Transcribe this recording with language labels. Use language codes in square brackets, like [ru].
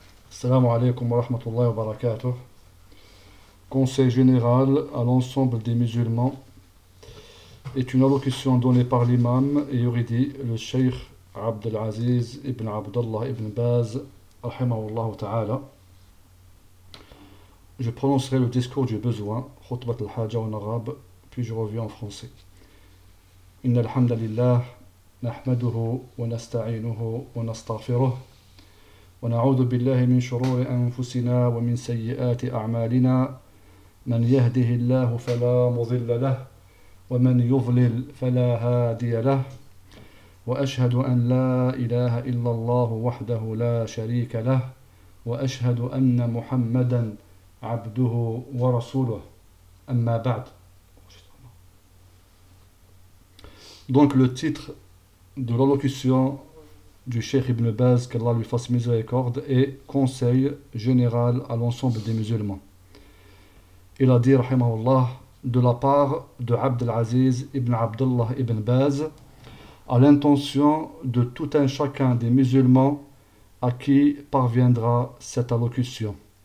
[ar] السلام عليكم ورحمة الله وبركاته. [fr] Conseil général à l'ensemble des musulmans est une allocution donnée par l'imam et yuridi le Sheikh Abdelaziz ibn Abdullah ibn Baz rahimahullah ta'ala. Je prononcerai le discours du besoin, khutbat al-haja en arabe, puis je reviens en français. [ar] Inna alhamdulillah. نحمده ونستعينه ونستغفره ونعوذ بالله من شرور أنفسنا ومن سيئات أعمالنا من يهده الله فلا مضل له ومن يضلل فلا هادي له وأشهد أن لا إله إلا الله وحده لا شريك له وأشهد أن محمدا عبده ورسوله أما بعد. [fr] Donc le titre de l'allocution du Cheikh Ibn Baz, qu'Allah lui fasse miséricorde, et conseil général à l'ensemble des musulmans. Il a dit, rahimahullah, de la part de Abd al-Aziz Ibn Abdullah Ibn Baz, à l'intention de tout un chacun des musulmans à qui parviendra cette allocution.